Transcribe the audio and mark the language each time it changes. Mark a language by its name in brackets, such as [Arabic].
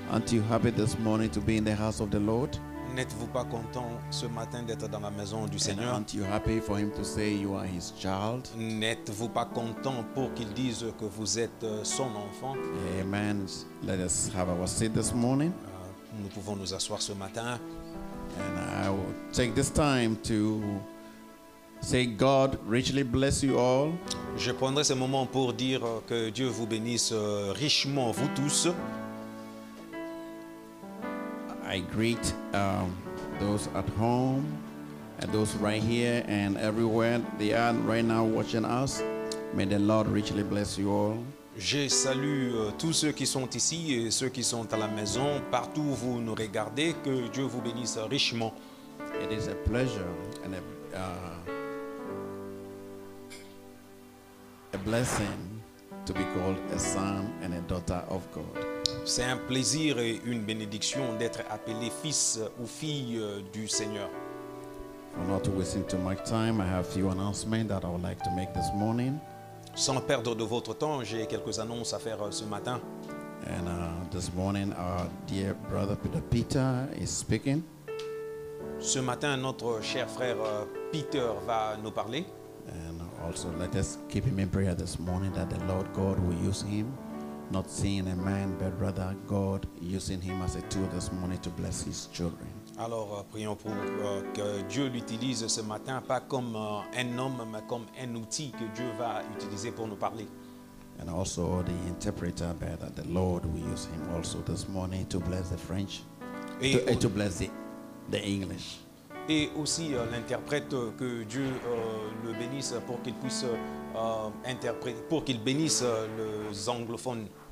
[English] You happy this morning to be in the house of the Lord? [French] N'êtes-vous pas content ce matin d'être dans la maison du Seigneur? [English] And aren't you happy for him to say you are his child? [French] N'êtes-vous pas content pour qu'il dise que vous êtes son enfant? [English] Amen. Let us have our seat this morning. [French] Nous pouvons nous asseoir ce matin. [English] And I will take this time to say God richly bless you all. [French] Je prendrai ce moment pour dire que Dieu vous bénisse richement vous tous. [English] I greet those at home and those right here and everywhere they are right now watching us. May the Lord richly bless you all. [French] Je salue tous ceux qui sont ici et ceux qui sont à la maison, partout où vous nous regardez, que Dieu vous bénisse richement. [English] It is a pleasure and a a blessing to be called a son and a daughter of God. [French] C'est un plaisir et une bénédiction d'être appelé fils ou fille du Seigneur. [English] For not wasting too much time, I have a few announcements that I would like to make this morning. [French] Sans perdre de votre temps, j'ai quelques annonces à faire ce matin. [English] And this morning, our dear brother Peter is speaking. [French] Ce matin, notre cher frère Peter va nous parler. [English] And also, let us keep him in prayer this morning that the Lord God will use him, not seeing a man, but rather God using him as a tool this morning to bless his children. [French] Alors, prions pour que Dieu l'utilise ce matin, pas comme un homme, mais comme un outil que Dieu va utiliser pour nous parler. [English] And also the interpreter, but that the Lord will use him also this morning to bless the French, to bless the English. [French] Et aussi l'interprète, que Dieu le bénisse pour qu'il puisse interpréter, pour qu'il bénisse les anglophones.